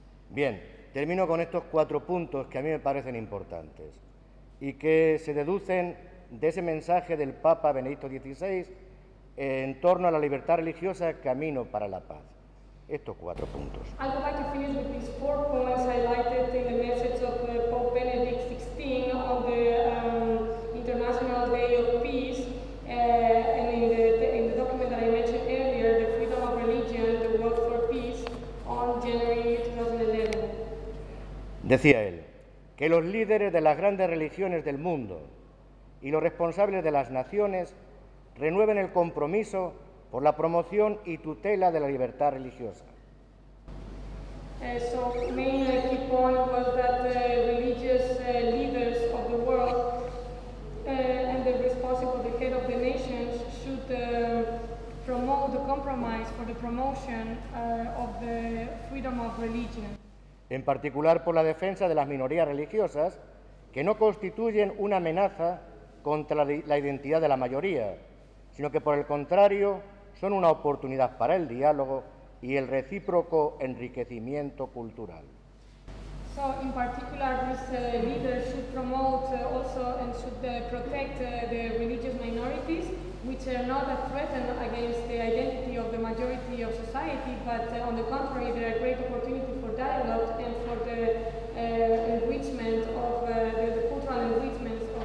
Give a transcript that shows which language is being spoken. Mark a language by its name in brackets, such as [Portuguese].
[Spanish] Bien, termino con estos cuatro puntos que a mí me parecen importantes y que se deducen de ese mensaje del Papa Benedicto XVI en torno a la libertad religiosa, camino para la paz. Estos cuatro puntos. [English] I would like to finish with these four points highlighted in the message of Pope Benedict XVI on the International Day of Peace and in the document that I mentioned earlier, the Freedom of Religion, the World for Peace, on January 2011. [Spanish] Decía él que los líderes de las grandes religiones del mundo y los responsables de las naciones renueven el compromiso por la promoción y tutela de la libertad religiosa. [English] So the main key point was that the religious leaders of the world and the responsible, the head of the nations, should promote the compromise for the promotion of the freedom of religion. [Spanish] En particular por la defensa de las minorías religiosas, que no constituyen una amenaza contra la identidad de la mayoría, sino que por el contrario son una oportunidad para el diálogo y el recíproco enriquecimiento cultural. [English] So in particular this leader should promote also and should protect the religious minorities, which are not a threat against the identity of the majority of society, but on the contrary they are a great opportunity for dialogue and for the enrichment of the cultural enrichment.